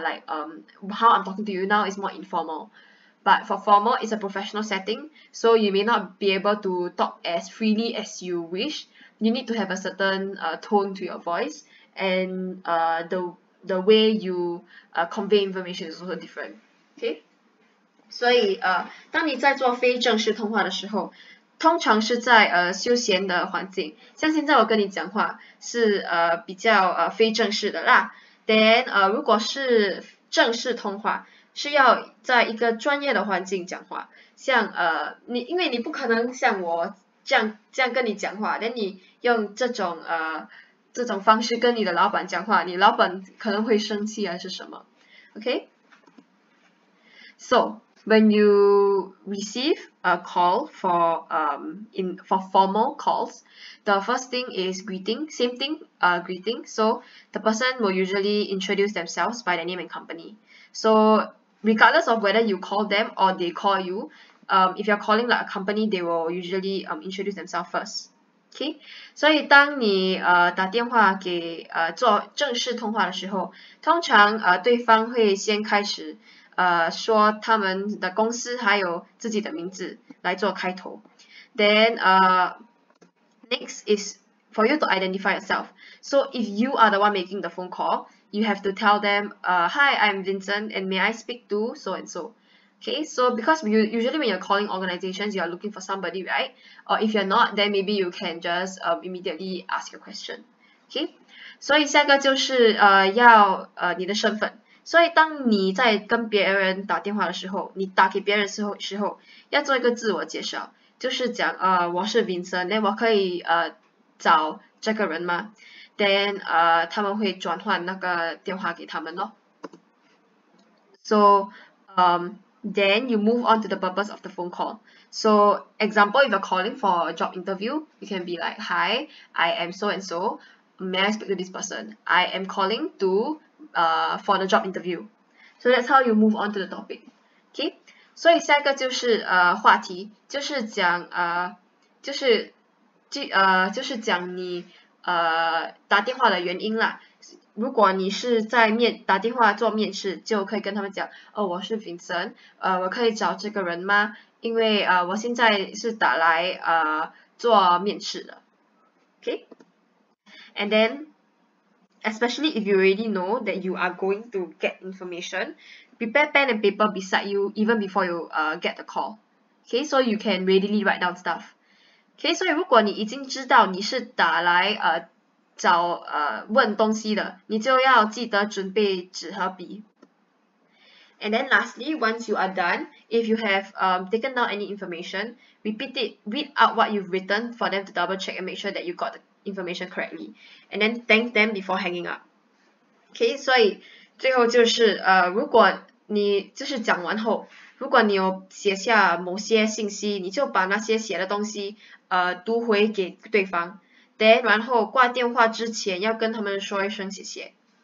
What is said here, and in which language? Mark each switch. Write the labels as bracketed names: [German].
[English] Like how I'm talking to you now is more informal. But for formal, it's a professional setting. So you may not be able to talk as freely as you wish. You need to have a certain tone to your voice, and the way you convey information is also different. Okay? [Chinese] 所以, 当你在做非正式通话的时候, 通常是在 休闲的环境, 像现在我跟你讲话是 比较 非正式的啦, then 如果是正式通话是要在一个专业的环境讲话，像你因为你不可能像我这样跟你讲话，连你用这种方式跟你的老板讲话，你老板可能会生气还是什么。 [English] OK, so when you receive a call for formal calls, the first thing is greeting, same thing, greeting. So the person will usually introduce themselves by their name and company. So regardless of whether you call them or they call you, if you're calling like a company, they will usually introduce themselves first. [Chinese] OK, 所以当你打电话给做正式通话的时候，通常对方会先开始说他们的公司还有自己的名字来做开头。 [English] Then next is for you to identify yourself. So if you are the one making the phone call, you have to tell them, "Hi, I'm Vincent, and may I speak to so and so." Okay, so because usually when you're calling organizations, you are looking for somebody, right? Or if you're not, then maybe you can just immediately ask your question. [Chinese] Okay, 所以下一个就是要你的身份。所以当你在跟别人打电话的时候，你打给别人时候要做一个自我介绍，就是讲我是 Vincent, 那我可以找这个人吗？ Then 他们会转换那个电话给他们咯。 [English] So then you move on to the purpose of the phone call. So example, if you're calling for a job interview, you can be like, "Hi, I am so and so. May I speak to this person? I am calling to for the job interview." So that's how you move on to the topic. Okay. [Chinese] 所以下一个就是话题，就是讲就是讲你打电话的原因啦。如果你是在打电话做面试，就可以跟他们讲，哦，我是 Vincent, 我可以找这个人吗？因为我现在是打来做面试的。 Okay? [English] And then, especially if you already know that you are going to get information, prepare pen and paper beside you even before you get the call. Okay, so you can readily write down stuff. [Chinese] Okay, 所以如果你已经知道你是打来找问东西的，你就要记得准备纸和笔。 [English] And then lastly, once you are done, if you have taken down any information, repeat it, read out what you've written for them to double check and make sure that you got the information correctly, and then thank them before hanging up. [Chinese] Okay, 所以最后就是如果你就是讲完后，如果你有写下某些信息，你就把那些写的东西读回给对方。 Then, 然后挂电话之前要跟他们说一声谢谢。